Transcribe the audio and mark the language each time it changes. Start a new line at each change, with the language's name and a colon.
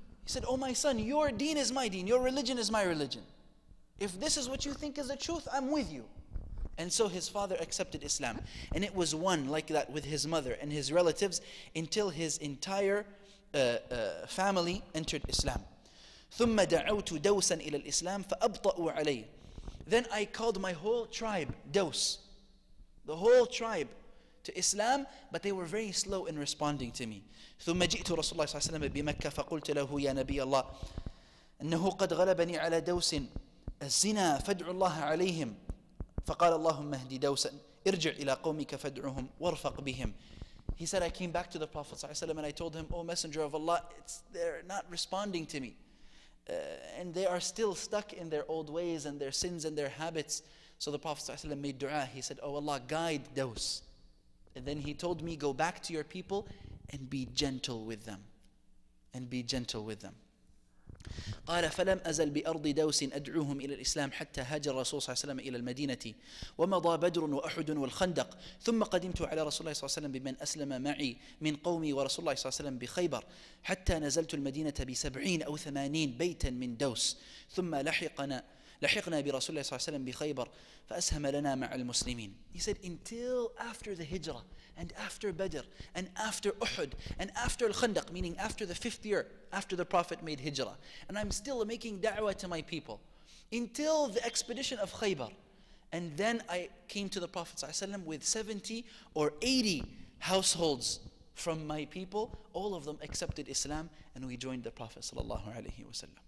English: He said, oh my son, your deen is my deen, your religion is my religion. If this is what you think is the truth, I'm with you. And so his father accepted Islam. And it was one like that with his mother and his relatives until his entire family entered Islam.
Arabic: ثم دعوت دوسا إلى الإسلام فأبطأوا علي.
English: Then I called my whole tribe, Dawes, the whole tribe, to Islam, but they were very slow in responding to me.
Arabic: ثم جئت رسول الله صلى الله عليه وسلم بمكة فقلت له يا نبي الله إنه قد غلبني على دوس الزنا فادع الله عليهم فقال اللهم اهدي دوسا ارجع إلى قومك فادعهم وارفق بهم.
English: He said, I came back to the Prophet ﷺ and I told him, oh messenger of Allah, they're not responding to me. And they are still stuck in their old ways and their sins and their habits. So the Prophet ﷺ made dua. He said, oh Allah, guide Dawes. And then he told me, go back to your people and be gentle with them. And be gentle with them.
Arabic: قال فلم أزل بأرض دوس أدعوهم إلى الإسلام حتى هاجر الرسول صلى الله عليه وسلم إلى المدينة ومضى بدر وأحد والخندق ثم قدمت على رسول الله صلى الله عليه وسلم بمن أسلم معي من قومي ورسول الله صلى الله عليه وسلم بخيبر حتى نزلت المدينة بسبعين أو ثمانين بيتا من دوس ثم لحقنا برسول الله صلى الله عليه وسلم بخيبر فأسهم لنا مع المسلمين.
English: He said, until after the hijra and after Badr and after Uhud and after Al-Khandaq, meaning after the fifth year after the Prophet made hijra, and I'm still making da'wah to my people until the expedition of Khaybar, and then I came to the Prophet ﷺ with 70 or 80 households from my people, all of them accepted Islam and we joined the Prophet ﷺ.